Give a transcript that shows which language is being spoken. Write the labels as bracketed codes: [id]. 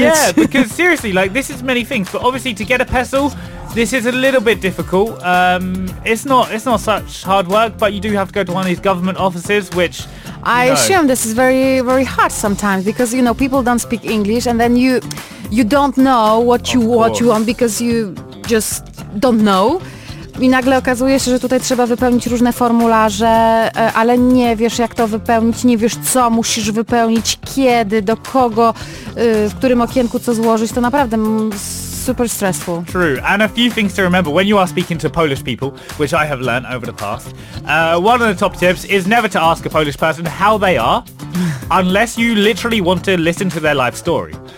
[en] Yeah, because seriously, like, this is many things. But obviously, to get a PESEL, this is a little bit difficult. It's not such hard work, but you do have to go to one of these government offices, which... I assume this is very, very hard sometimes because, you know, people don't speak English and then you don't know what you want because you just don't know. [pl] I nagle okazuje się, że tutaj trzeba wypełnić różne formularze, ale nie wiesz jak to wypełnić, nie wiesz co musisz wypełnić, kiedy, do kogo, w którym okienku co złożyć, to naprawdę [en] super stressful. True, and a few things to remember when you are speaking to Polish people, which I have learned over the past. One of the top tips is never to ask a Polish person how they are, unless you literally want to listen to their life story.